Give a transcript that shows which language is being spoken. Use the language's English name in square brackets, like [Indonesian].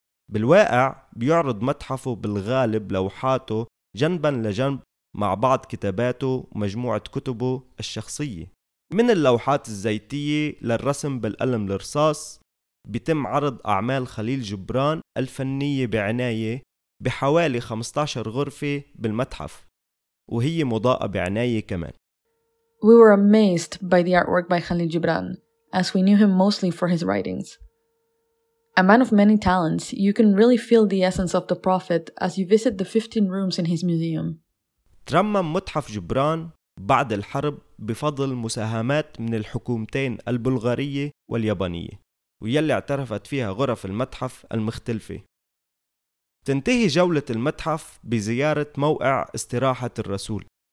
[Arabic] بالواقع بيعرض متحفه بالغالب لوحاته جنباً لجنب مع بعض كتاباته ومجموعة كتبه الشخصية. من اللوحات الزيتية للرسم بالقلم الرصاص بيتم عرض أعمال خليل جبران الفنية بعناية بحوالي 15 غرفة بالمتحف، وهي مضاءة بعناية كمان. [English] We were amazed by the artwork by Khalil Gibran, as we knew him mostly for his writings. A man of many talents, you can really feel the essence of the prophet as you visit the 15 rooms in his museum. [Arabic] ترمم متحف جبران بعد الحرب بفضل مساهمات من الحكومتين البلغارية واليابانية، ويلي اعترفت فيها غرف المتحف المختلفة. تنتهي جولة المتحف بزيارة موقع استراحة الرسول.